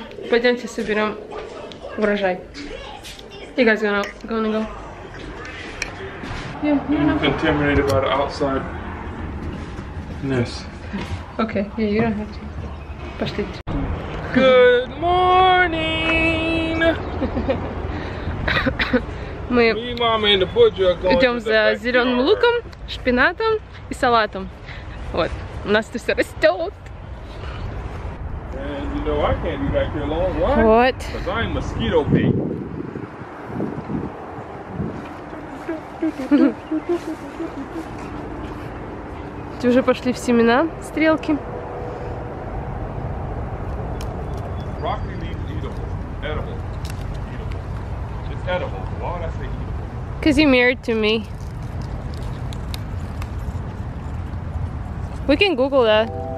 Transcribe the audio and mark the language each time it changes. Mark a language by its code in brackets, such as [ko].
[ru] Пойдемте соберем урожай. [en] You guys gonna gonna go? Contaminated by the outside. Yes. Okay. Yeah, you don't have to. [ru] Пошли. [en] Good morning. [ru] Мы идем за зеленым луком, шпинатом и салатом. Вот, у нас тут все растет. [en] And you know I can't be back here long. Why? What? Because I'm mosquito bait. [ru] Ты уже пошли в семена, стрелки. [en] Broccoli leaves edible. Edible. Edible. It's edible. Why would I say edible? Because you're married to me. We can Google that.